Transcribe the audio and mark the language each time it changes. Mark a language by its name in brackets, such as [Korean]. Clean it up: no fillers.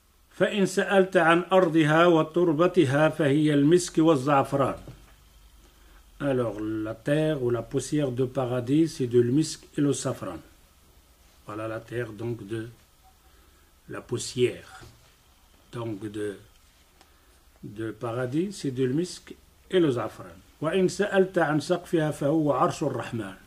[Arabic] فإن سألت عن أرضها وتربتها فهي المسك والزعفران. [French] Alors la terre ou la poussière de paradis c'est de l'misk et le safran. Voilà la terre donc de la poussière. Donc de paradis c'est de l'misk et le zafran. [Arabic] وإن سألت عن سقفها فهو عرش الرحمن.